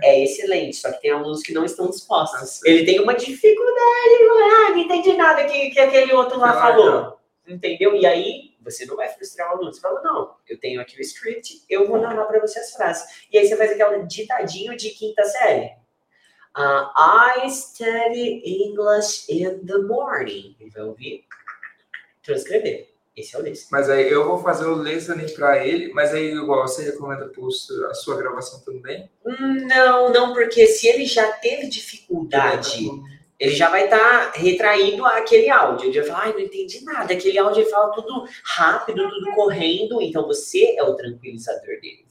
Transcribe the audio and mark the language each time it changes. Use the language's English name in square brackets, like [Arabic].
[Portuguese] É excelente, só que tem alunos que não estão dispostos. Nossa. Ele tem uma dificuldade, não entendi nada que aquele outro lá falou. Não. Entendeu? E aí você não vai frustrar o aluno. Você fala, não, eu tenho aqui o script, eu vou narrar pra você as frases. E aí você faz aquela ditadinho de quinta série. [English] I study English in the morning. [Portuguese] Ele vai ouvir. Transcrever. Esse é o listening. Mas aí eu vou fazer o listening para ele, mas aí igual você recomenda a sua gravação também? Não, porque se ele já teve dificuldade Ele já vai estar retraindo aquele áudio. Ele vai falar, ai, não entendi nada. Aquele áudio ele fala tudo rápido, tudo correndo. Então você é o tranquilizador dele.